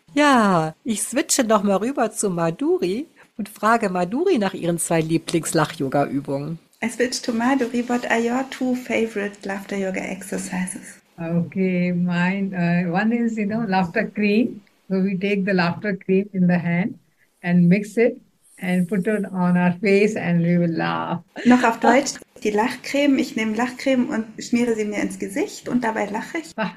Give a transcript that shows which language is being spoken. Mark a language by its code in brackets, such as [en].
[de] Ja, ich switche noch mal rüber zu Madhuri und frage Madhuri nach ihren zwei Lieblings-Lach-Yoga-Übungen. [en] I switch to Madhuri. What are your two favorite laughter yoga exercises? Okay, one is, laughter cream. So we take the laughter cream in the hand and mix it and put it on our face and we will laugh. [de] Noch auf Deutsch, die Lachcreme. Ich nehme Lachcreme und schmiere sie mir ins Gesicht und dabei lache ich.